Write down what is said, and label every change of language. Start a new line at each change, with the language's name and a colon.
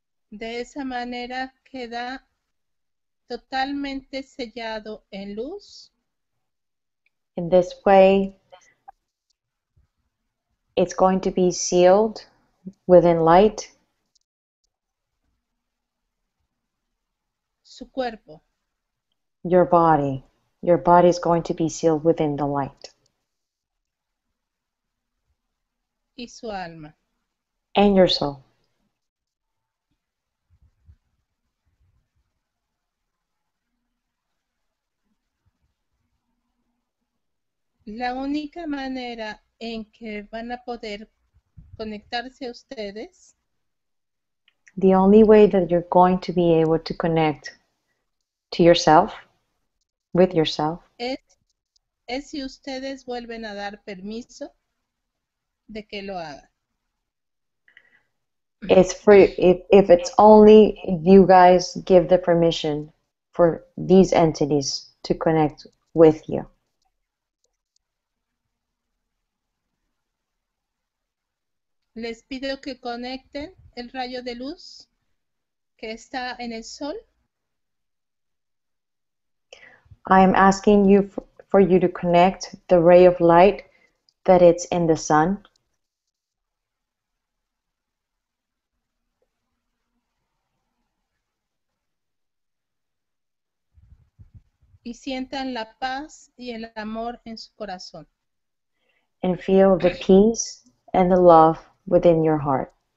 Spanish: De esa manera queda totalmente sellado en luz.
English: In this way, it's going to be sealed within light.
Spanish: Su cuerpo.
English: Your body. Your body is going to be sealed within the light.
Spanish: Y su alma.
English: And your soul.
Spanish: La única manera en que van a poder conectarse a ustedes,
English: the only way that you're going to be able to connect to yourself, with yourself,
Spanish: es si ustedes vuelven a dar permiso de que lo hagan.
English: It's for if it's only if you guys give the permission for these entities to connect with you.
Spanish: Les pido que conecten el rayo de luz que está en el sol.
English: I am asking you for you to connect the ray of light that it's in the sun.
Spanish: Y sientan la paz y el amor en su corazón.
English: And feel the peace and the love within your heart.